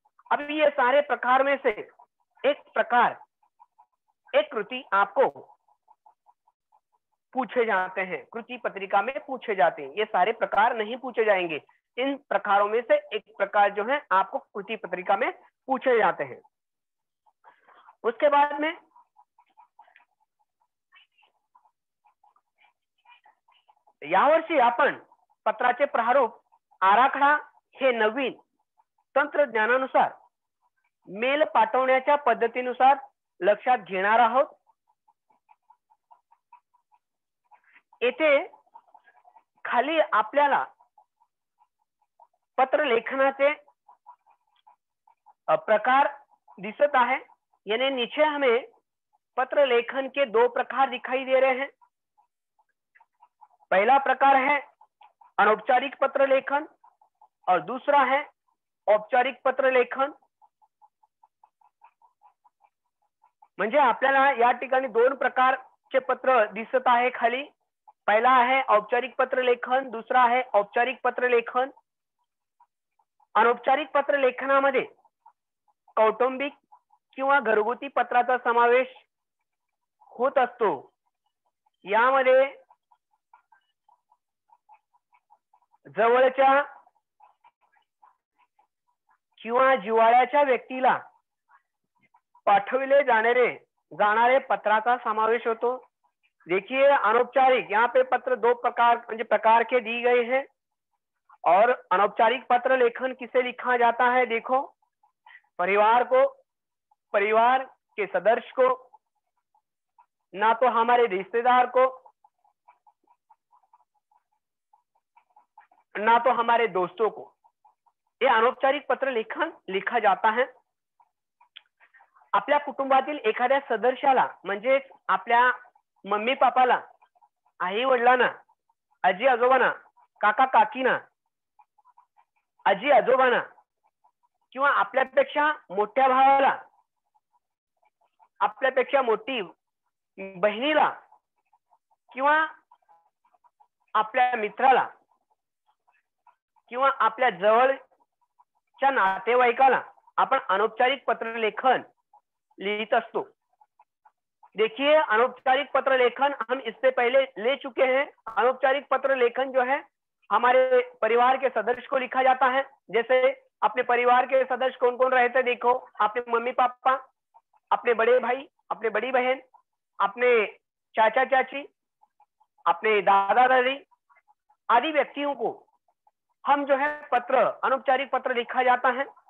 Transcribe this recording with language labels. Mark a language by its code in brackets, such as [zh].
[hi] अब ये सारे प्रकार में से एक प्रकार एक कृति आपको पूछे जाते हैं कृति पत्रिका में पूछे जाते हैं। ये सारे प्रकार नहीं पूछे जाएंगे, इन प्रकारों में से एक प्रकार जो है आपको कृति पत्रिका में पूछे जाते हैं। [mr] उसके बाद में यावर्षी आपण पत्राचे प्रारूप आराखडा हे नवीन तंत्रज्ञानानुसार मेल पाठवण्याच्या पद्धतीनुसार लक्षात घेणार आहोत। इथे खाली आपल्याला पत्र लेखनाचे प्रकार दिसत आहे [hi] यानी नीचे हमें पत्र लेखन के 2 प्रकार दिखाई दे रहे हैं। पहला प्रकार है अनौपचारिक पत्र लेखन और दूसरा है औपचारिक पत्र लेखन। [mr] म्हणजे आपल्याला या ठिकाणी 2 प्रकार चे पत्र दिसत आहे। [hi] खाली पहला है औपचारिक पत्र लेखन दूसरा है औपचारिक पत्र लेखन। [mr] अनौपचारिक पत्र लेखनामध्ये कौटुंबिक किंवा घरगुती पत्राचा समावेश होत असतो। यामध्ये जवळच्या किंवा जिवाळ्याच्या व्यक्तीला पाठविले जाणारे पत्राचा समावेश होतो। [hi] देखिए अनौपचारिक यहाँ पे पत्र दो प्रकार प्रकार के दी गए हैं, और अनौपचारिक पत्र लेखन किसे लिखा जाता है, देखो परिवार को, परिवार के सदस्य को, ना तो हमारे रिश्तेदार को, ना तो हमारे दोस्तों को, ये अनौपचारिक पत्र लेखन लिखा जाता है। [mr] आपल्या कुटुंबातील एखाद्या सदस्याला म्हणजे आपल्या मम्मी पापाला, आई वडिलांना, आजी आजोबांना, काका काकींना, आजी आजोबांना, किंवा आपल्यापेक्षा मोठ्या भावाला, आपल्यापेक्षा मोठी बहिणीला, किंवा आपल्या मित्राला, किंवा आपल्या जवळच्या नातेवाईकाला आपण अनौपचारिक पत्र लेखन लिखित असतो। [hi] देखिए अनौपचारिक पत्र लेखन हम इससे पहले ले चुके हैं। अनौपचारिक पत्र लेखन जो है हमारे परिवार के सदस्य को लिखा जाता है। जैसे अपने परिवार के सदस्य कौन कौन रहते हैं, देखो अपने मम्मी पापा, अपने बड़े भाई, अपने बड़ी बहन, अपने चाचा चाची, अपने दादा दादी आदि व्यक्तियों को हम जो है पत्र, अनौपचारिक पत्र लिखा जाता है।